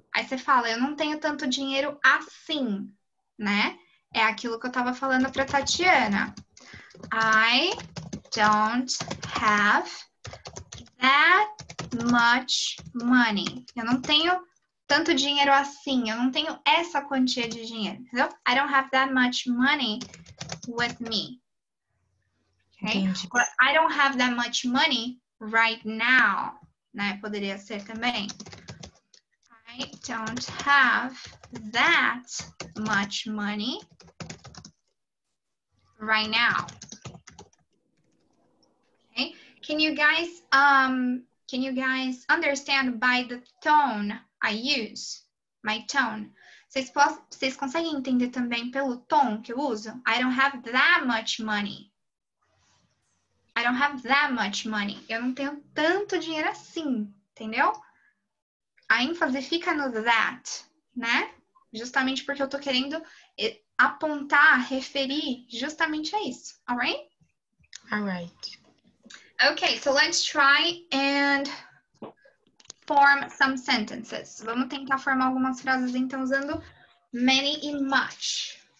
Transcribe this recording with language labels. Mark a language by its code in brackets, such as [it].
[pt] Aí você fala, eu não tenho tanto dinheiro assim, né? É aquilo que eu tava falando pra Tatiana. [en] I don't have that much money. [pt] Eu não tenho tanto dinheiro assim, eu não tenho essa quantia de dinheiro, entendeu? [en] I don't have that much money with me. Okay. Or I don't have that much money right now, né? [pt] Poderia ser também. [en] I don't have that much money right now. Okay. Can you guys understand by the tone I use? My tone. [pt] Vocês conseguem entender também pelo tom que eu uso? [en] I don't have that much money. I don't have that much money. [pt] Eu não tenho tanto dinheiro assim, entendeu? A ênfase fica no that, né? Justamente porque eu tô querendo apontar, referir justamente a isso. [en] All right? All right. Okay, so let's try and form some sentences. [pt] Vamos tentar formar algumas frases, então, usando many e much.